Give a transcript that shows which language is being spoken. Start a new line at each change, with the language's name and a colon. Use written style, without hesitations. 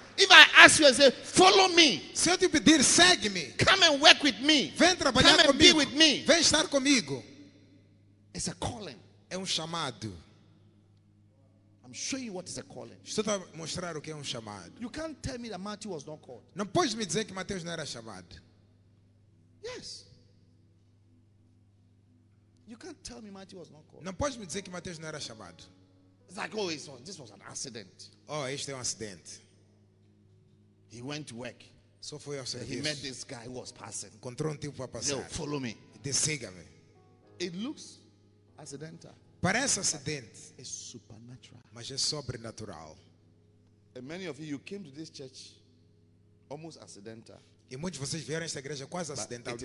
English: If I ask you, I say, follow me.
Portuguese: Se eu te pedir, segue me.
English: Come and work with me.
Portuguese: Vem trabalhar
English: come
Portuguese: comigo.
English: And be with me.
Portuguese: Vem estar comigo.
English: It's a calling.
Portuguese: É chamado.
English: I'm showing you what is a calling.
Portuguese: Estou a mostrar o que é chamado.
English: You can't tell me that Matthew was not called.
Portuguese: Não podes me dizer que Mateus não era chamado.
English: Yes. You can't tell me Matthew was not called.
Portuguese: Não podes me dizer que Mateus não era chamado.
English: It's like, oh, this was an accident.
Portuguese: Oh, este é accident.
English: He went to work.
Portuguese: So foi ao serviço.
English: He met this guy who was passing.
Portuguese: Encontrou tipo a passar.
English: No, follow me.
Portuguese: Siga-me.
English: It looks accidental.
Portuguese: Parece acidente.
English: It's supernatural.
Portuguese: Mas é sobrenatural.
English: And many of you came to this church almost accidental.
Portuguese: E muitos de vocês vieram a esta igreja quase acidentalmente.